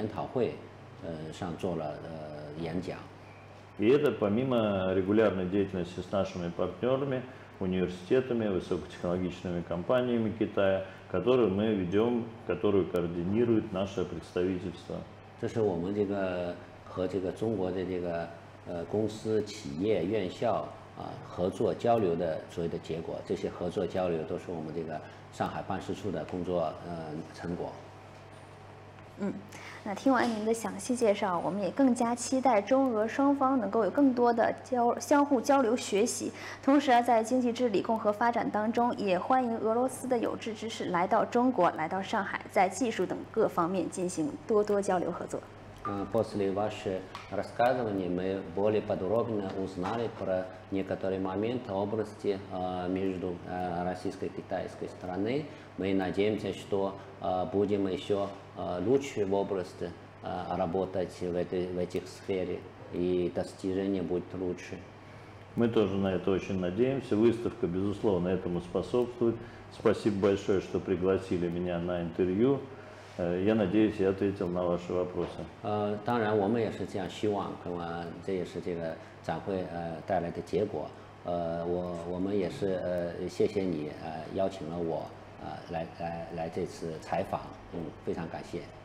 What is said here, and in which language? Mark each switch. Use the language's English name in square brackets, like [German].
[Russian] автомобилях. [Chinese] 去年5月，我们受到了这个中国汽车技术中心的邀请，参与并在这个国际这个噪音路噪研讨会上做了演讲。 [Russian] И это помимо регулярной деятельности с нашими партнерами, университетами, высокотехнологичными компаниями Китая, которые мы ведем, которую координирует наше представительство. Это мы [Chinese] 和中国的公司、企业、院校合作交流的所谓的结果，这些合作交流都是我们上海办事处的工作成果。那听完您的详细介绍，我们也更加期待中俄双方能够有更多的相互交流学习，同时在经济治理共和发展当中，也欢迎俄罗斯的有志之士来到中国、来到上海，在技术等各方面进行多多交流合作。 [Russian] После вашего рассказывания мы более подробно узнали про некоторые моменты области между российской и китайской стороны. Мы надеемся, что будем еще лучше в области работать в этих сфере, и достижение будет лучше. Мы тоже на это очень надеемся. Выставка, безусловно, этому способствует. Спасибо большое, что пригласили меня на интервью. Я надеюсь, я ответил на ваши вопросы. [Chinese] 当然我们也是这样希望, 这也是这个展会带来的结果. 我们也是, 谢谢你, 邀请了我, 来这次采访, 非常感谢.